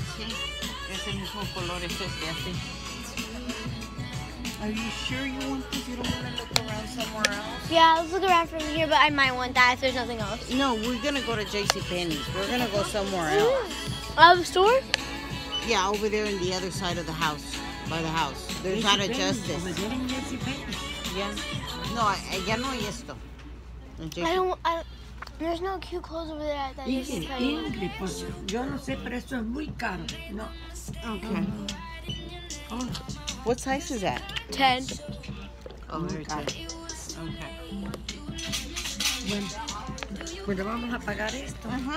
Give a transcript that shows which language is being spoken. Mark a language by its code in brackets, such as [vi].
[es] Sí, es el mismo color, eso es de así. [en] Are you sure you want this? You don't want to look around somewhere else? Yeah, let's look around from here, but I might want that if there's nothing else. No, we're going to go to jcpenneys. We're going to go somewhere else. Out of the store? Yeah, over there on the other side of the house, by the house. There's not a Justice. Over there in jcpenneys? Yeah. [es] No, ya no hay esto. [en] There's no cute clothes over there at that jcpenneys. [es] Ingrid, pues yo no sé, pero esto es muy caro. [en] No. Okay. What size is that? 10. Oh, very good. Okay. [es] Bueno, vamos a pagar esto.